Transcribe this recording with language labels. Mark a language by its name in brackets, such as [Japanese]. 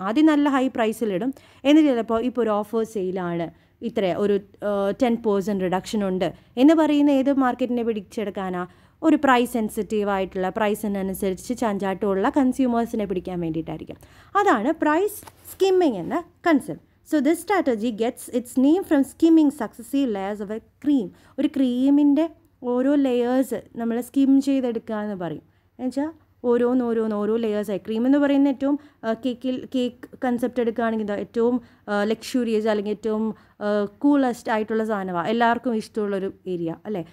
[Malayalam] ആദ്യം നല്ല ഹൈ പ്രൈസിലിടും, എന്നിട്ട് ചിലപ്പോൾ ഇപ്പോൾ ഒരു ഓഫർ സെയിലാണ്, ഇത്ര ഒരു 10% റിഡക്ഷൻ ഉണ്ട് എന്ന് പറയുന്ന ഏത് മാർക്കറ്റിനെ പിടിച്ചെടുക്കാനാണ്, ഒരു പ്രൈസ് സെൻസിറ്റീവ് ആയിട്ടുള്ള പ്രൈസിനനുസരിച്ച് ചാഞ്ചാട്ടമുള്ള കൺസ്യൂമേഴ്സിനെ പിടിക്കാൻ വേണ്ടിയിട്ടായിരിക്കും. അതാണ് പ്രൈസ് സ്കിമ്മിങ് എന്ന concept. [English] So this strategy gets its name from skimming successive layers of a cream. [Malayalam] ഒരു ക്രീമിൻ്റെ ഓരോ ലെയേഴ്സ് നമ്മൾ സ്കിം ചെയ്തെടുക്കുക എന്ന് പറയും. എന്നുവെച്ചാൽ ഓരോന്നോരോന്നോരോ ലെയേഴ്സായി. ക്രീം എന്ന് പറയുന്ന ഏറ്റവും കേക്കിൽ കേക്ക് കൺസെപ്റ്റ് എടുക്കുകയാണെങ്കിൽ എന്താ, ഏറ്റവും ലക്ഷൂറിയസ് അല്ലെങ്കിൽ ഏറ്റവും കൂളസ്റ്റ് ആയിട്ടുള്ള സാധനമാണ്, എല്ലാവർക്കും ഇഷ്ടമുള്ളൊരു ഏരിയ അല്ലേ.